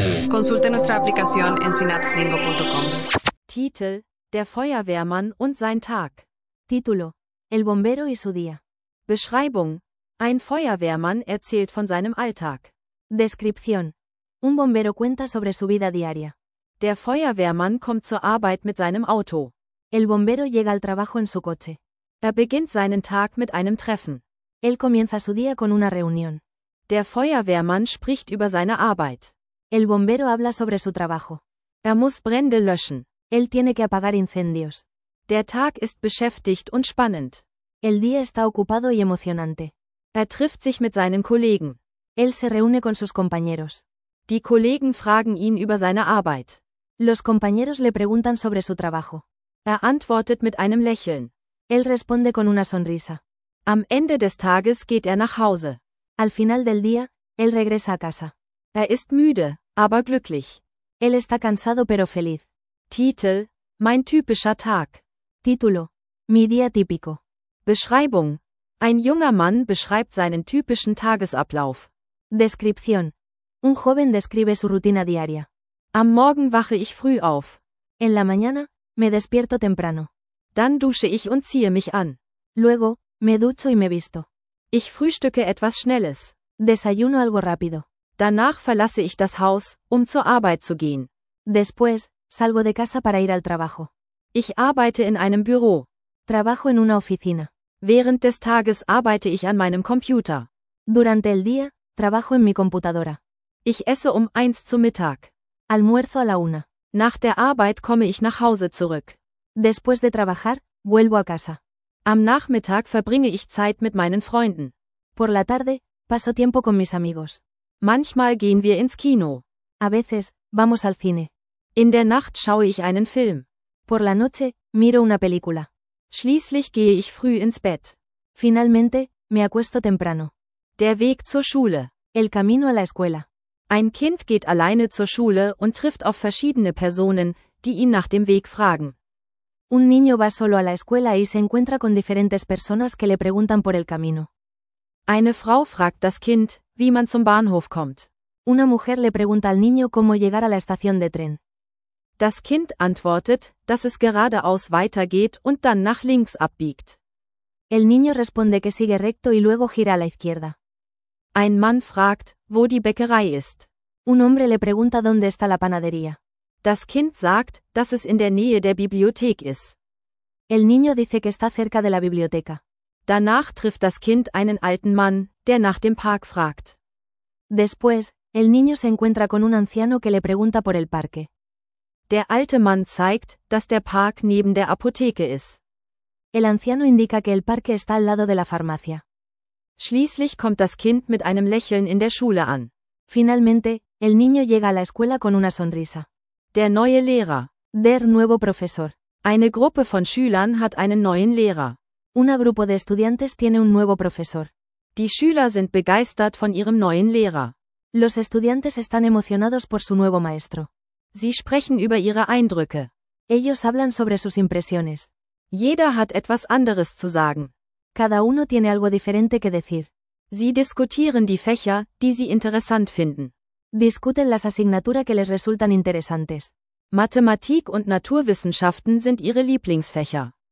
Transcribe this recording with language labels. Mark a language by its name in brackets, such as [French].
[Spanish] Consulte nuestra aplicación en synapselingo.com. [German] Titel: Der Feuerwehrmann und sein Tag. [Spanish] Título: El bombero y su día. [German] Beschreibung: Ein Feuerwehrmann erzählt von seinem Alltag. [Spanish] Descripción: Un bombero cuenta sobre su vida diaria. [German] Der Feuerwehrmann kommt zur Arbeit mit seinem Auto. [Spanish] El bombero llega al trabajo en su coche. [German] Er beginnt seinen Tag mit einem Treffen. [Spanish] Él comienza su día con una reunión. [German] Der Feuerwehrmann spricht über seine Arbeit. [Spanish] El bombero habla sobre su trabajo. [German] Er muss Brände löschen. [Spanish] Él tiene que apagar incendios. [German] Der Tag ist beschäftigt und spannend. [Spanish] El día está ocupado y emocionante. [German] Er trifft sich mit seinen Kollegen. [Spanish] Él se reúne con sus compañeros. [German] Die Kollegen fragen ihn über seine Arbeit. [Spanish] Los compañeros le preguntan sobre su trabajo. [German] Er antwortet mit einem Lächeln. [Spanish] Él responde con una sonrisa. [German] Am Ende des Tages geht er nach Hause. [Spanish] Al final del día, él regresa a casa. [German] Er ist müde, aber glücklich. [Spanish] Él está cansado pero feliz. [German] Titel: Mein typischer Tag. [Spanish] Título: Mi día típico. [German] Beschreibung: Ein junger Mann beschreibt seinen typischen Tagesablauf. [Spanish] Descripción: Un joven describe su rutina diaria. [German] Am Morgen wache ich früh auf. [Spanish] En la mañana, me despierto temprano. [German] Dann dusche ich und ziehe mich an. [Spanish] Luego, me ducho y me visto. [German] Ich frühstücke etwas Schnelles. [Spanish] Desayuno algo rápido. [German] Danach verlasse ich das Haus, um zur Arbeit zu gehen. [Spanish] Después, salgo de casa para ir al trabajo. [German] Ich arbeite in einem Büro. [Spanish] Trabajo en una oficina. [German] Während des Tages arbeite ich an meinem Computer. [Spanish] Durante el día, trabajo en mi computadora. [German] Ich esse um 1 zu Mittag. [Spanish] Almuerzo a la una. [German] Nach der Arbeit komme ich nach Hause zurück. [Spanish] Después de trabajar, vuelvo a casa. [German] Am Nachmittag verbringe ich Zeit mit meinen Freunden. [Spanish] Por la tarde, paso tiempo con mis amigos. [German] Manchmal gehen wir ins Kino. [Spanish] A veces, vamos al cine. [German] In der Nacht schaue ich einen Film. [Spanish] Por la noche, miro una película. [German] Schließlich gehe ich früh ins Bett. [Spanish] Finalmente, me acuesto temprano. [German] Der Weg zur Schule. [Spanish] El camino a la escuela. [German] Ein Kind geht alleine zur Schule und trifft auf verschiedene Personen, die ihn nach dem Weg fragen. [Spanish] Un niño va solo a la escuela y se encuentra con diferentes personas que le preguntan por el camino. [German] Eine Frau fragt das Kind, wie man zum Bahnhof kommt. [Spanish] Una mujer le pregunta al niño cómo llegar a la estación de tren. [German] Das Kind antwortet, dass es geradeaus weitergeht und dann nach links abbiegt. [Spanish] El niño responde que sigue recto y luego gira a la izquierda. [German] Ein Mann fragt, wo die Bäckerei ist. [Spanish] Un hombre le pregunta dónde está la panadería. [German] Das Kind sagt, dass es in der Nähe der Bibliothek ist. [Spanish] El niño dice que está cerca de la biblioteca. [German] Danach trifft das Kind einen alten Mann, der nach dem Park fragt. [Spanish] Después, el niño se encuentra con un anciano que le pregunta por el parque. [German] Der alte Mann zeigt, dass der Park neben der Apotheke ist. [Spanish] El anciano indica que el parque está al lado de la farmacia. [German] Schließlich kommt das Kind mit einem Lächeln in der Schule an. [Spanish] Finalmente, el niño llega a la escuela con una sonrisa. [German] Der neue Lehrer. [Spanish] Der nuevo profesor. [German] Eine Gruppe von Schülern hat einen neuen Lehrer. [Spanish] Una grupo de estudiantes tiene un nuevo profesor. [German] Die Schüler sind begeistert von ihrem neuen Lehrer. [Spanish] Los estudiantes están emocionados por su nuevo maestro. [German] Sie sprechen über ihre Eindrücke. [Spanish] Ellos hablan sobre sus impresiones. [German] Jeder hat etwas anderes zu sagen. [Spanish] Cada uno tiene algo diferente que decir. [German] Sie diskutieren die Fächer, die sie interessant finden. [Spanish] Discuten las asignaturas que les resultan interesantes. [German] Mathematik und Naturwissenschaften sind ihre Lieblingsfächer.